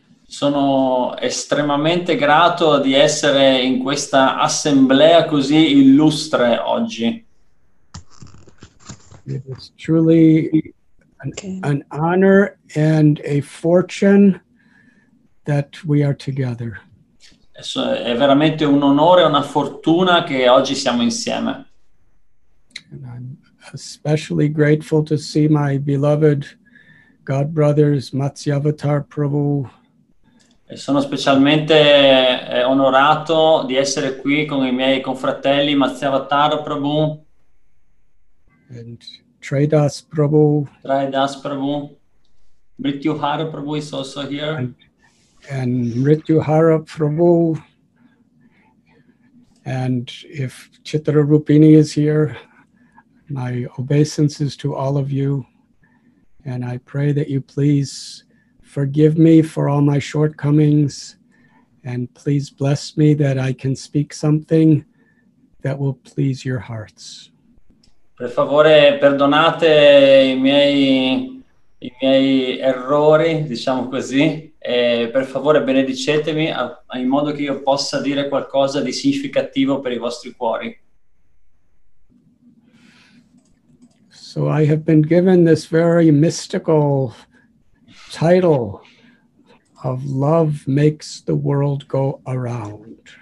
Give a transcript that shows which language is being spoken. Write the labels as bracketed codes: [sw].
[it] Sono estremamente grato di essere in questa assemblea così illustre oggi. [en] It is truly an honor and a fortune that we are together. [it] È veramente un onore e una fortuna che oggi siamo insieme. [en] And I'm especially grateful to see my beloved God brothers Matsyavatara Prabhu. [it] E sono specialmente onorato di essere qui con i miei confratelli Matsyavatara Prabhu [en] and Tridas Prabhu. Tridas Prabhu. Mrityuhara Prabhu is also here. And Mrityuhara Prabhu. And if Chitra Rupini is here, my obeisances to all of you. And I pray that you please forgive me for all my shortcomings and please bless me that I can speak something that will please your hearts. [it] Per favore, perdonate i miei errori, diciamo così, e per favore benedicetemi in modo che io possa dire qualcosa di significativo per i vostri cuori. [en] So I have been given this very mystical title of Love Makes the World Go Around.